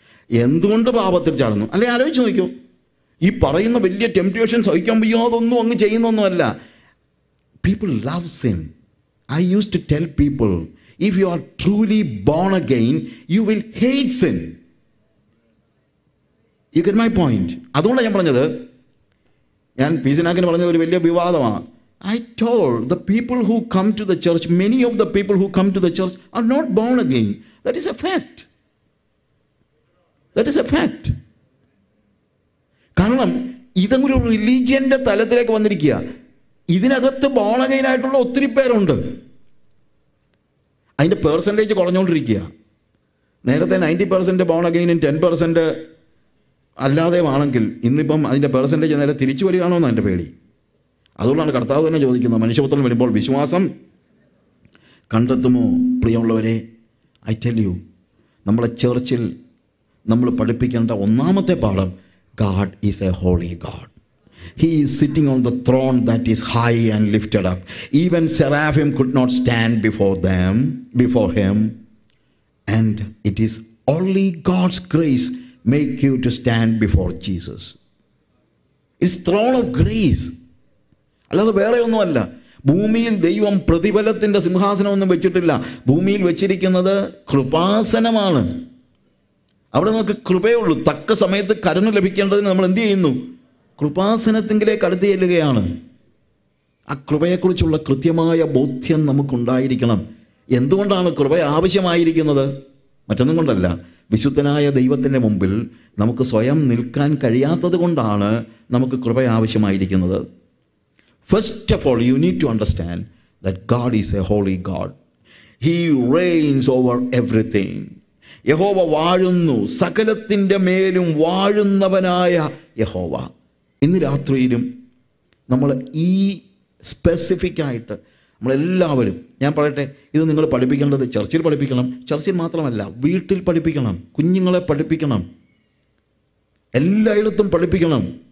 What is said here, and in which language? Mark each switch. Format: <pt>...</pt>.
<ml>എന്തുകൊണ്ട് പാപത്തിൽ ചാടുന്നു? അല്ലെ, ആലോചിച്ച് നോക്കൂ. ഈ പറയുന്ന വലിയ ടെംപ്റ്റേഷൻ സഹിക്കാൻ വയ്യാതൊന്നും അങ്ങ് ചെയ്യുന്നൊന്നുമല്ല.</ml> <en>People love sin. I use to tell people, if you are truly born again, you will hate sin. You get my point?</en> <ml>അതുകൊണ്ടാണ് ഞാൻ പറഞ്ഞത്, ഞാൻ പീസിനാക്കിന് പറഞ്ഞത് ഒരു വലിയ വിവാദമാണ്.</ml> <en>I told the people who come to the church, many of the people who come to the church are not born again. That is a fact. That is a fact.</en> <ml>കാരണം ഇതൊരു റിലീജിയന്റെ തലത്തിലേക്ക് വന്നിരിക്കുക. ഇതിനകത്ത് ബോൺ അഗെയിൻ ആയിട്ടുള്ള ഒത്തിരി പേരുണ്ട്. അതിൻ്റെ percentage കുറഞ്ഞുകൊണ്ടിരിക്കുക. നേരത്തെ 90% ബോൺ അഗെയിനും 10% അല്ലാതെയാണെങ്കിൽ ഇന്നിപ്പം അതിൻ്റെ പേഴ്സൻറ്റേജ് നേരെ തിരിച്ചു വരികയാണോന്നാണ് എൻ്റെ പേടി. അതുകൊണ്ടാണ് കർത്താവ് തന്നെ ചോദിക്കുന്നത്, മനുഷ്യപുത്രൻ വരുമ്പോൾ വിശ്വാസം കണ്ടെത്തുമോ?</ml> <en>പ്രിയമുള്ളവരെ, I tell you,</en> <ml>നമ്മളെ ചർച്ചിൽ നമ്മൾ പഠിപ്പിക്കേണ്ട ഒന്നാമത്തെ പാഠം,</ml> <en>God is a holy God. He is sitting on the throne that is high and lifted up. Even seraphim could not stand before him. And it is only God's grace make you to stand before Jesus. It's throne of grace.</en> <ml>അല്ലാതെ വേറെ ഒന്നുമല്ല. ഭൂമിയിൽ ദൈവം പ്രതിഫലത്തിൻ്റെ സിംഹാസനമൊന്നും വെച്ചിട്ടില്ല. ഭൂമിയിൽ വെച്ചിരിക്കുന്നത് കൃപാസനമാണ്. അവിടെ നമുക്ക് കൃപയുള്ളൂ. തക്ക സമയത്ത് കരുണ ലഭിക്കേണ്ടതിന് നമ്മൾ എന്ത് ചെയ്യുന്നു? കൃപാസനത്തിങ്കിലേക്ക് അടുത്ത് ചെല്ലുകയാണ്. ആ കൃപയെക്കുറിച്ചുള്ള കൃത്യമായ ബോധ്യം നമുക്കുണ്ടായിരിക്കണം. എന്തുകൊണ്ടാണ് കൃപ ആവശ്യമായിരിക്കുന്നത്? മറ്റൊന്നും കൊണ്ടല്ല, വിശുദ്ധനായ ദൈവത്തിൻ്റെ മുമ്പിൽ നമുക്ക് സ്വയം നിൽക്കാൻ കഴിയാത്തത് കൊണ്ടാണ് നമുക്ക് കൃപ ആവശ്യമായിരിക്കുന്നത്.</ml> <en>First of all, you need to understand that God is a holy God. He reigns over everything.</en> <ml>യഹോവ വാഴുന്നു, സകലത്തിൻ്റെ മേലും വാഴുന്നവനായ യഹോവ. ഇന്ന് രാത്രിയിലും നമ്മൾ ഈ സ്പെസിഫിക്കായിട്ട് നമ്മളെല്ലാവരും, ഞാൻ പറയട്ടെ, ഇത് നിങ്ങൾ പഠിപ്പിക്കേണ്ടത് ചർച്ചിൽ പഠിപ്പിക്കണം. ചർച്ചിൽ മാത്രമല്ല, വീട്ടിൽ പഠിപ്പിക്കണം, കുഞ്ഞുങ്ങളെ പഠിപ്പിക്കണം, എല്ലായിടത്തും പഠിപ്പിക്കണം.</ml>